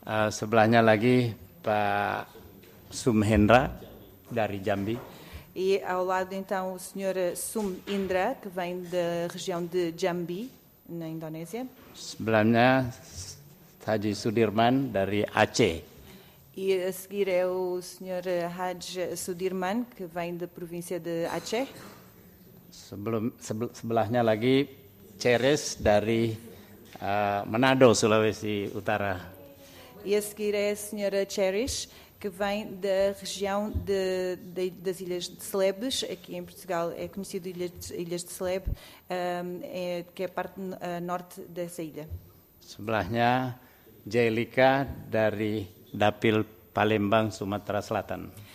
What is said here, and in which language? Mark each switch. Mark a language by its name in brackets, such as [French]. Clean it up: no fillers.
[Indonesian] Sebelahnya lagi Pak Sumhendra dari Jambi. [Portuguese] E ao lado então o senhor Sumhendra, que vem da região de Jambi, na Indonésia. [Indonesian] Sebelahnya Haji Sudirman dari Aceh. [Portuguese] E a seguir é o senhor Haji Sudirman, que vem da província de Aceh. [Indonesian] Sebelahnya lagi Ceres dari Manado, Sulawesi Utara. [Portuguese] E a seguir é a senhora Ceres, que vem da região das Ilhas de Celebes, aqui em Portugal é conhecido Ilhas de Celebes, que é a parte norte dessa ilha. [Indonesian] Sebelahnya, Jelika, dari Dapil Palembang, Sumatera Selatan.